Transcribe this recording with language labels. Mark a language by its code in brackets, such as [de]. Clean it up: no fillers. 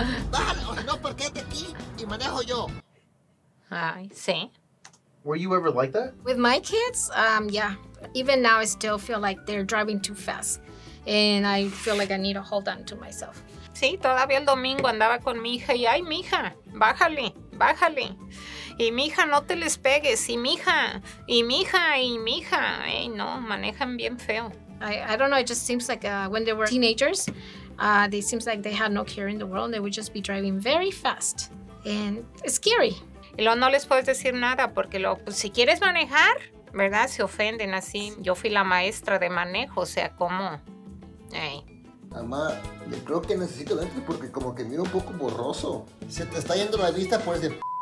[es] Bájale, o sea, no, parquéate aquí y manejo yo. Ay, sí. [en] Were you ever like that? With my kids, yeah. Even now, I still feel like they're driving too fast. And I feel like I need to hold on to myself. [es] Sí, todavía el domingo andaba con mi hija y, ay, mija, bájale. Y mija, no te les pegues. Y mija. Ay, no, manejan bien feo. [en] I don't know, it just seems like when they were teenagers, they seems like they had no care in the world. They would just be driving very fast. And it's scary. [es] Y luego no les puedes decir nada porque luego, pues, si quieres manejar, ¿verdad? Se ofenden así. Yo fui la maestra de manejo, o sea, ¿cómo? Ay. Mamá, yo creo que necesito lentes porque como que miro un poco borroso. Se te está yendo la vista por ese